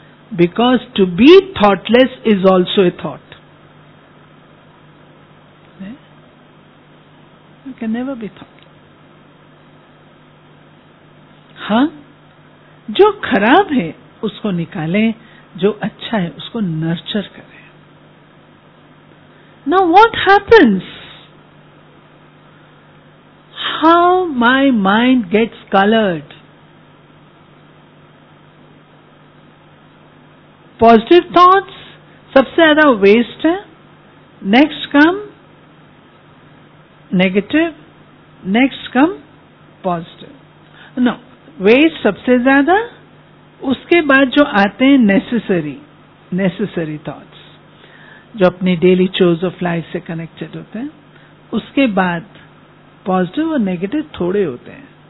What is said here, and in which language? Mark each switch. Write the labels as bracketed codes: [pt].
[en] Because to be thoughtless is also a thought. You can never be thoughtless. [ur] ہاں, جو خراب ہے اس کو نکالیں, جو اچھا ہے اس کو نرچر کریں. [en] Now what happens? How my mind gets colored? Positive thoughts [ur] سب سے زیادہ ویسٹ ہے. نیکسٹ کم نیگیٹو, نیکسٹ کم پازیٹو. نو, ویسٹ سب سے زیادہ, اس کے بعد جو آتے ہیں نیسسری تھاٹس جو اپنی ڈیلی چوز آف لائف سے کنیکٹڈ ہوتے ہیں, اس کے بعد پازیٹو اور نیگیٹو تھوڑے ہوتے ہیں.